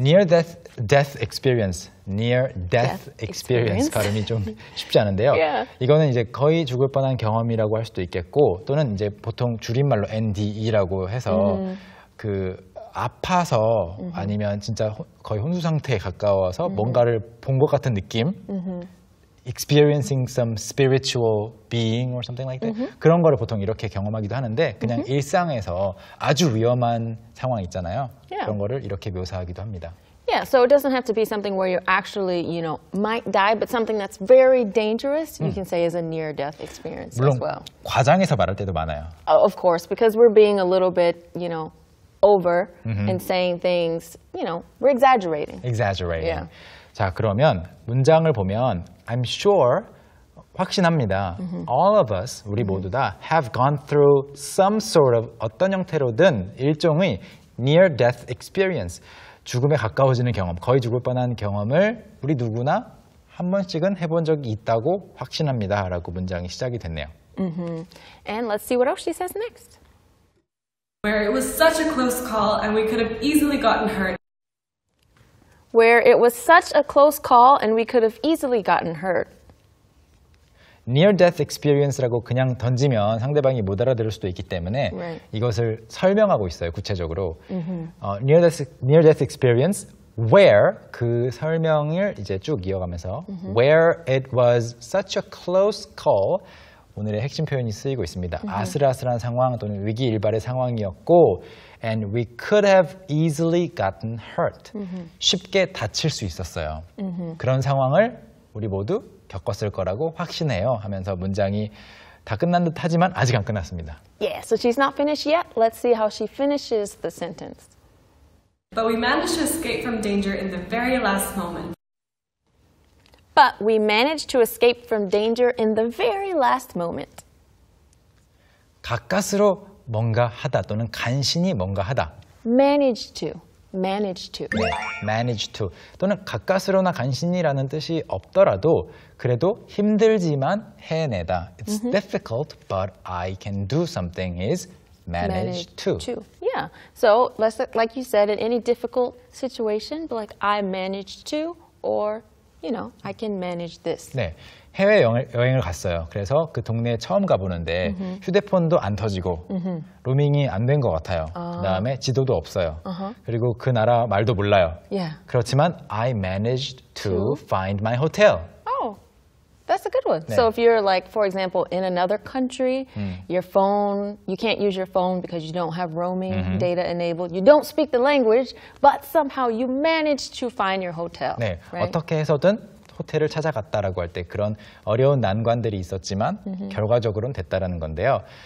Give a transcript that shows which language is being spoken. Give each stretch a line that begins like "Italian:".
English: Near death experience. Near death experience.
Korean: 발음이 좀 쉽지 않은데요.
English: Yeah.
Korean: 이거는 이제 거의 죽을 뻔한 경험이라고 할 수도 있겠고 또는 이제 보통 줄임말로 NDE라고 해서 그 아파서 아니면 진짜 거의 혼수 상태에 가까워서 뭔가를 본 것 같은 느낌.
English: Experiencing some spiritual being or something like that.
Korean: Mm-hmm. 그런 거를 보통 이렇게 경험하기도 하는데 그냥 mm-hmm. 일상에서 아주 위험한 상황 있잖아요.
English: Yeah.
Korean: 그런 거를 이렇게 묘사하기도 합니다.
English: Yeah, so it doesn't have to be something where you actually, you know, might die, but something that's very dangerous, you can say is a near-death experience as well.
Korean: 물론 과장해서 말할 때도 많아요.
English: Of course, because we're being a little bit, you know, over and saying things, you know, we're exaggerating. Exaggerating. Yeah.
Korean: 자, 그러면 문장을 보면
English: I'm sure,
Korean: 확신합니다.
English: All of us,
Korean: 우리 모두 다
English: have gone through some sort of
Korean: 어떤 형태로든 일종의
English: near-death experience.
Korean: 죽음에 가까워지는 경험, 거의 죽을 뻔한 경험을 우리 누구나 한 번씩은 해본 적이 있다고 확신합니다. 라고 문장이 시작이 됐네요.
English: And let's see what else she says next. Where it was such a close call and we could have easily gotten hurt. Where it was such a close call and we could have easily gotten hurt.
Korean: Near-death experience라고 그냥 던지면 상대방이 못 알아들을 수도 있기 때문에
English: right.
Korean: 이것을 설명하고 있어요, 구체적으로.
English: Mm-hmm.
Korean: Near-death experience, where, 그 설명을 이제 쭉 이어가면서 mm-hmm.
English: where it was such a close call,
Korean: 오늘의 핵심 표현이 쓰이고 있습니다.
English: Mm-hmm.
Korean: 아슬아슬한 상황 또는 위기 일발의 상황이었고
English: and we could have easily gotten hurt. Mm-hmm.
Korean: 쉽게 다칠 수 있었어요.
English: Mm-hmm.
Korean: 그런 상황을 우리 모두 겪었을 거라고 확신해요 하면서 문장이 다 끝난 듯 하지만 아직 안 끝났습니다.
English: Yeah, so she's not finished yet. Let's see how she finishes the sentence. But we managed to escape from danger in the very last moment. But we managed to escape from danger in the very last moment.
Korean: 가까스로 뭔가 하다 또는 간신히 뭔가 하다.
English: Manage to.
Korean: 네,
English: manage to.
Korean: 또는 가까스로나 간신히라는 뜻이 없더라도 그래도 힘들지만 해내다.
English: It's mm-hmm. difficult, but I can do something is manage to. Yeah. So, like you said, in any difficult situation, like I managed to or, you know, I can manage this.
Korean: 네. 해외 여행을 갔어요. 그래서 그 동네에 처음 가보는데 mm-hmm. 휴대폰도 안 터지고 mm-hmm. 로밍이 안 된 것 같아요. 그 다음에 지도도 없어요.
English: Uh-huh.
Korean: 그리고 그 나라 말도 몰라요.
English: Yeah.
Korean: 그렇지만
English: I managed to find my hotel. Oh, that's a good one. 네. So if you're like, for example, in another country, your phone, you can't use your phone because you don't have roaming mm-hmm. data enabled. You don't speak the language, but somehow you managed to find your hotel.
Korean: 네,
English: right?
Korean: 어떻게 해서든 호텔을 찾아갔다라고 할 때 그런 어려운 난관들이 있었지만 mm-hmm. 결과적으로는 됐다라는 건데요.